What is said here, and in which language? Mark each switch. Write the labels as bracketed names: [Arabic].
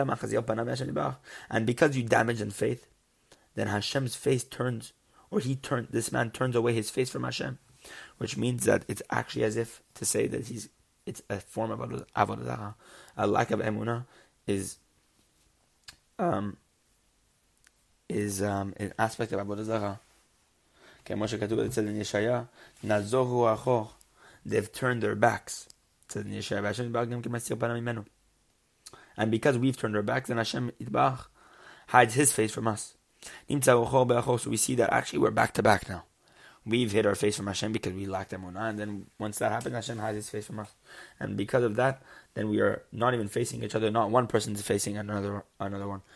[English] And because you damaged in faith, then Hashem's face turns, or this man turns away his face from Hashem, which means that it's actually as if to say that it's a form of avodah, a lack of emunah is an aspect of avodah zarah. [Hebrew] כמו שכתוב בצד ישעיה, נזורו אחור, [English] they've turned their backs. [Hebrew] צד ישעיה, והשם יתברך גם כמסיר פנה ממנו. [English] And because we've turned our backs, then Hashem יתברך hides his face from us. [Hebrew] נמצא אחור באחור, [English] so we see that actually we're back to back now. We've hid our face from Hashem because we lacked emunah, and then once that happens, Hashem hides his face from us. And because of that, then we are not even facing each other, not one person is facing another one.